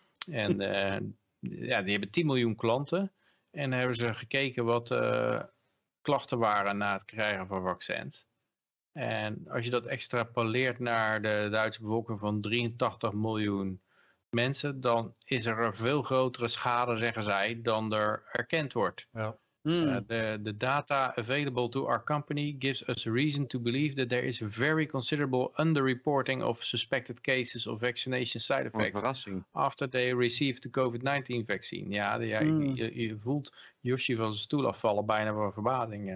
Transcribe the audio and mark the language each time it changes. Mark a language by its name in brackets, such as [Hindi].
[Dutch] En die hebben 10 miljoen klanten. En hebben ze gekeken wat de klachten waren na het krijgen van vaccins. En als je dat extrapoleert naar de Duitse bevolking van 83 miljoen mensen, dan is er een veel grotere schade, zeggen zij, dan er erkend wordt. [English] De data available to our company gives us reason to believe that there is very considerable underreporting of suspected cases of vaccination side effects after they received the COVID-19 vaccine. [Dutch] Je voelt Yoshi van zijn stoel afvallen, bijna van verbazing.